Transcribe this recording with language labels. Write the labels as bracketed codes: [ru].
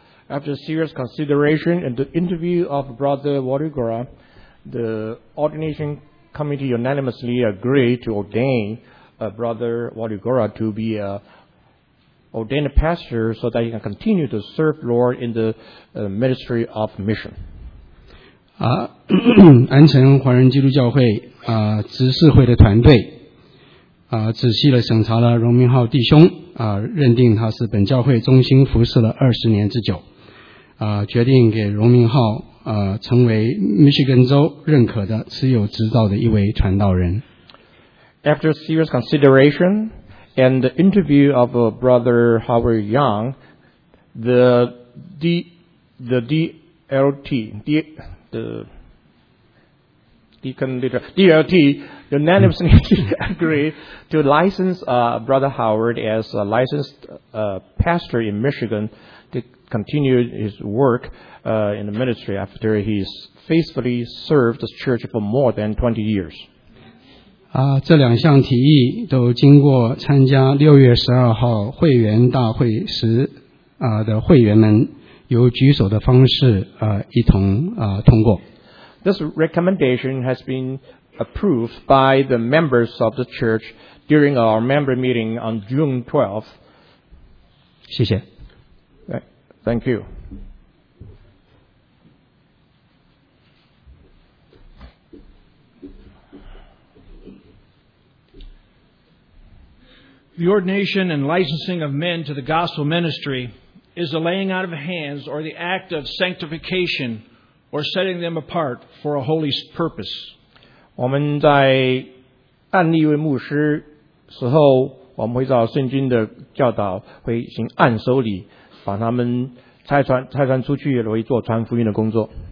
[en] After serious consideration and the interview of Brother Waligora, the ordination committee unanimously agreed to ordain Brother Waligora to be a ordained pastor so that he can continue to serve Lord in the ministry of mission. [zh] 安城华人基督教会执事会的团队仔细地审查了荣明浩弟兄认定他是本教会忠心服侍了20年之久决定给荣明浩成为密歇根州认可的持有执照的一位传道人。 [en] After serious consideration and the interview of Brother Howard Young, the DLT unanimously agreed to license Brother Howard as a licensed pastor in Michigan to continue his work in the ministry after he's faithfully served the church for more than 20 years. [zh] 这两项提议都经过参加6月12号会员大会时的会员们由举手的方式一同通过。 [en] This recommendation has been approved by the members of the church during our member meeting on June 12th. [zh] 谢谢。 [en] Thank you. The ordination and licensing of men to the gospel ministry is the laying out of hands or the act of sanctification or setting them apart for a holy purpose. [zh] 我们在按立为牧师时候，我们会照圣经的教导，会行按手礼，把他们拆穿出去，为做传福音的工作。